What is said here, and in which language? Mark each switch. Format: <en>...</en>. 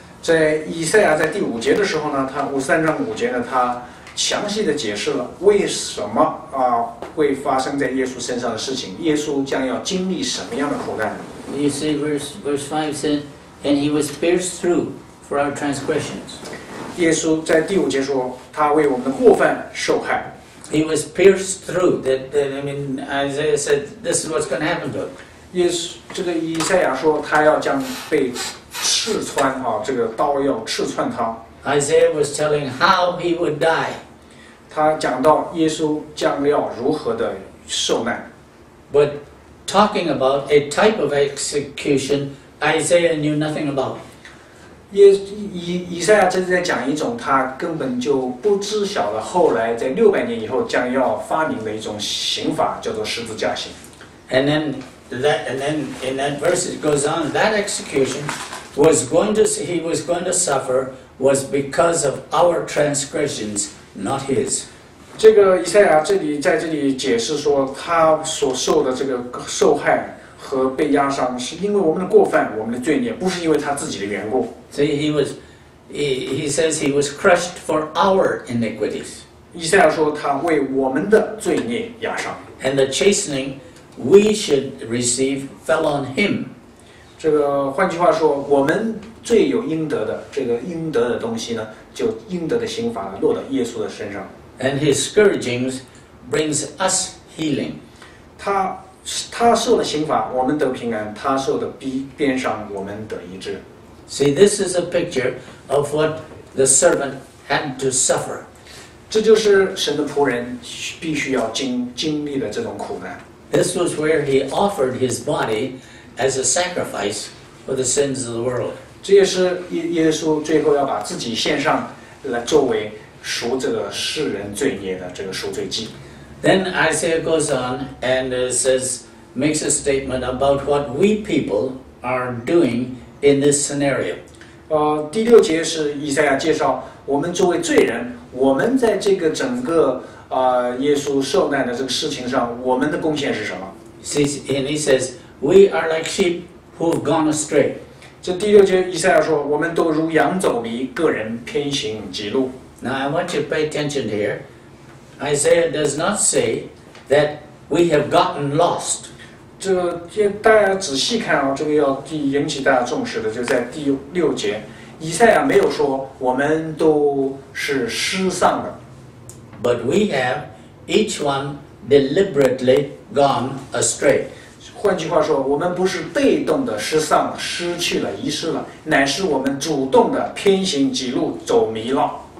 <zh>在以赛亚在第五节的时候呢，他五三章五节呢，他详细的解释了为什么会发生在耶稣身上的事情，耶稣将要经历什么样的苦难。</zh> <en>You see, verse 5 says, and he was pierced through for our transgressions.</en> <zh>耶稣在第五节说，他为我们的过犯受害。</zh> <en>He was pierced through. I mean, Isaiah said, this is what's going to happen to him.</en> <zh>耶稣，这个以赛亚说，他要将被刺穿，这个刀要刺穿他。</zh> <en>Isaiah was telling how he would die.</en> <zh>他讲到耶稣将要如何的受难。</zh> <en>But talking about a type of execution Isaiah knew nothing about.</en> <zh>以赛亚正在讲一种他根本就不知晓的，后来在六百年以后将要发明的一种刑法，叫做十字架刑。</zh> <en>And then in that verse it goes on, that execution was going to, he was going to suffer was because of our transgressions, not his.</en> <zh>这个以赛亚这里在这里解释说，他所受的这个受害和被压伤，是因为我们的过犯、我们的罪孽，不是因为他自己的缘故。</zh> <en>所以 he says he was crushed for our iniquities.</en> <zh>以赛亚说他为我们的罪孽压伤。</zh> <en>And the chastening we should receive fell on him.</en> <zh>这个换句话说，我们罪有应得的这个应得的东西呢，就应得的刑罚落到耶稣的身上。</zh> <en>And his scourgings brings us healing.</en> <zh>他受了刑罚，我们得平安；他受的鞭伤，我们得医治。</zh> <en>See, this is a picture of what the servant had to suffer.</en> <zh>这就是神的仆人必须要经历的这种苦难。</zh> <en>This was where he offered his body as a sacrifice for the sins of the world.</en> <zh>这也是耶稣最后要把自己献上来作为赎这个世人罪孽的这个赎罪祭。</zh> <en>Then Isaiah goes on and makes a statement about what we people are doing in this scenario.</en> <zh>第六节是以赛亚介绍我们作为罪人，我们在这个整个耶稣受难的这个事情上，我们的贡献是什么？</zh> <en>And he says, we are like sheep who have gone astray.</en> <zh>这第六节以赛亚说，我们都如羊走迷，个人偏行己路。</zh> <en>Now I want you to pay attention here. Isaiah does not say that we have gotten lost.</en> <zh>这大家仔细看啊，这个要引起大家重视的，就在第六节，以赛亚没有说我们都是失丧的。</zh> <en>But we have each one deliberately gone astray.</en> <zh>换句话说，我们不是被动的失丧、失去了、遗失了，乃是我们主动的偏行己路、走迷了。</zh>